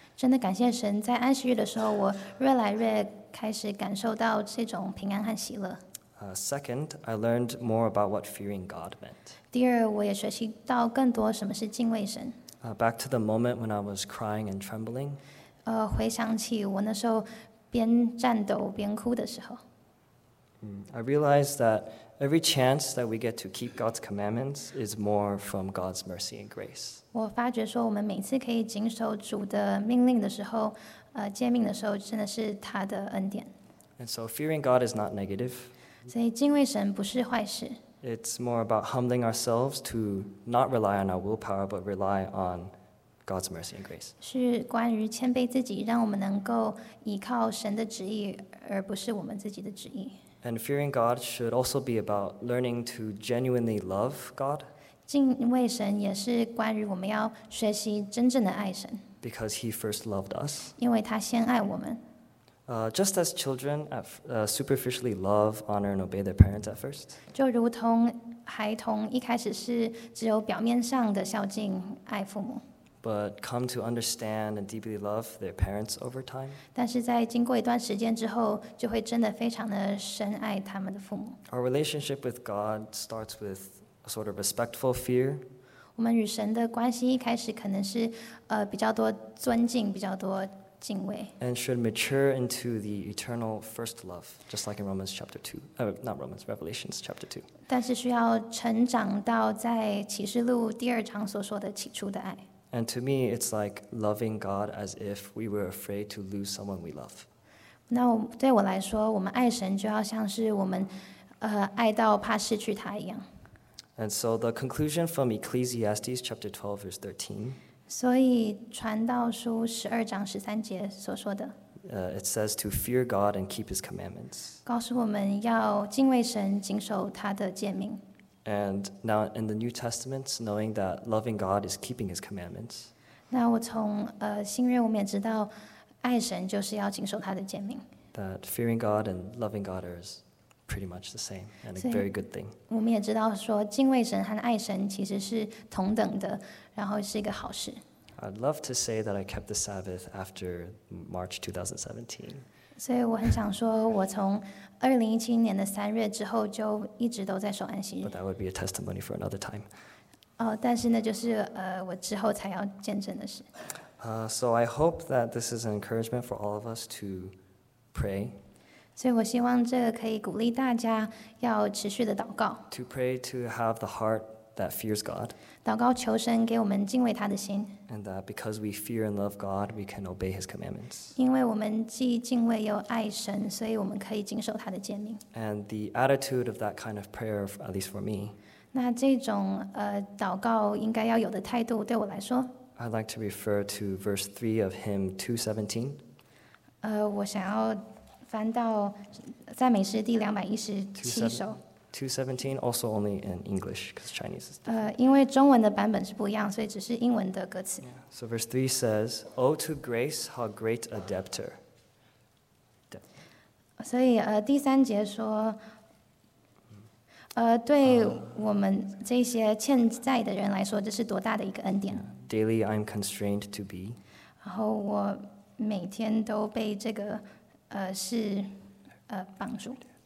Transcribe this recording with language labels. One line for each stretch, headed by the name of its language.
Chinese: 真的感谢神，在安息日的时候，我越来越开始感受到这种平安和喜乐。
English: Second, I learned more about what fearing God meant.
Chinese: 第二，我也学习到更多什么是敬畏神。
English: Back to the moment when I was crying and trembling.
Chinese: 回想起我那时候边颤抖边哭的时候。
English: I realized that every chance that we get to keep God's commandments is more from God's mercy and grace.
Chinese: 我发觉说，我们每次可以谨守主的命令的时候，诫命的时候，真的是他的恩典。
English: And so fearing God is not negative.
Chinese: 所以敬畏神不是坏事。
English: It's more about humbling ourselves to not rely on our willpower, but rely on God's mercy and grace.
Chinese: 是关于谦卑自己，让我们能够依靠神的旨意，而不是我们自己的旨意。
English: And fearing God should also be about learning to genuinely love God.
Chinese: 敬畏神也是关于我们要学习真正的爱神。
English: Because He first loved us.
Chinese: 因为他先爱我们。
English: Just as children superficially love, honor, and obey their parents at first,
Chinese: 就如同孩童一开始是只有表面上的孝敬爱父母
English: but come to understand and deeply love their parents over time.
Chinese: 但是在经过一段时间之后，就会真的非常的深爱他们的父母
English: Our relationship with God starts with a sort of respectful fear.
Chinese: 我们与神的关系一开始可能是比较多尊敬，比较多。
English: And should mature into the eternal first love, just like in Romans chapter 2, not Romans, Revelations chapter 2.
Chinese: 但是需要成长到在启示录第二章所说的起初的爱。
English: And to me, it's like loving God as if we were afraid to lose someone we love.
Chinese: 那对我来说，我们爱神就要像是我们爱到怕失去他一样。
English: And so the conclusion from Ecclesiastes chapter 12, verse 13.
Chinese: 所以传道书十二章十三节所说的
English: It says to fear God and keep his commandments.
Chinese: 告诉我们要敬畏神，谨守他的诫命。
English: And now in the New Testament, knowing that loving God is keeping his commandments.
Chinese: 那我从新约我们也知道爱神就是要谨守他的诫命。
English: That fearing God and loving God are pretty much the same and a very good thing.
Chinese: 我们也知道说敬畏神和爱神其实是同等的。然后是一个好事。
English: I'd love to say that I kept the Sabbath after March 2017.
Chinese: 所以我很想说，我从2017年的三月之后就一直都在守安息日。
English: But that would be a testimony for another time.
Chinese: 哦，但是那就是我之后才要见证的事。
English: So I hope that this is an encouragement for all of us to pray.
Chinese: 所以我希望这个可以鼓励大家要持续的祷告。
English: To pray to have the heart. That fears God.
Chinese: 祷告求神给我们敬畏他的心。
English: And that because we fear and love God, we can obey His commandments.
Chinese: 因为我们既敬畏又爱神，所以我们可以谨守他的诫命。
English: And the attitude of that kind of prayer, at least for me,
Chinese: 那这种祷告应该要有的态度对我来说
English: I'd like to refer to verse 3 of hymn 217
Chinese: 我想要翻到赞美诗第217首
English: 217 also only in English because Chinese is different.
Chinese: 因为中文的版本是不一样，所以只是英文的歌词。 Yeah.
English: So verse 3 says, "O to grace, how great a debtor."
Chinese: 所以第三节说，对我们这些欠债的人来说，这是多大的一个恩典。
English: Daily, I'm constrained to be.
Chinese: 然后我每天都被这个是绑住。